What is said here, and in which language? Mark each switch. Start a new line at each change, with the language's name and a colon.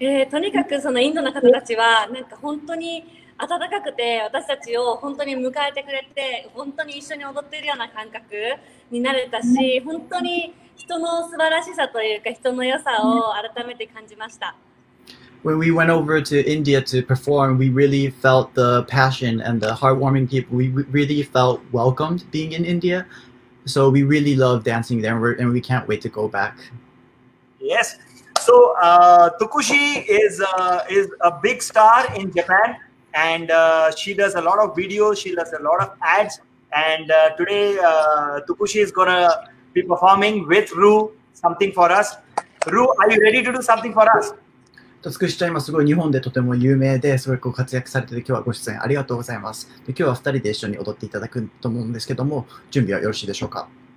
Japanese: とにかくそのインドの方たちは、なんか本当に温かくて、私たちを本当に迎えてくれて、本当に一緒に踊ってるような感覚になれたし、本当に人の素晴らしさというか、人の良さを改めて感じました。
English: When we went over to India to perform, we really felt the passion and the heartwarming people. We really felt welcomed being in India. So we really love dancing there, and we can't wait to go back. Yes. So Tukushi is a big star in Japan, and she does a lot of videos, she does a lot of ads, and today Tukushi is gonna be performing with Ru something for us. Ru, are you ready to do something for us?
Japanese: とつくしちゃん、今すごい日本でとても有名ですごいこう活躍されてて、今日はご出演ありがとうございます。で、今日は2人で一緒に踊っていただくと思うんですけども、準備はよろしいでしょうか？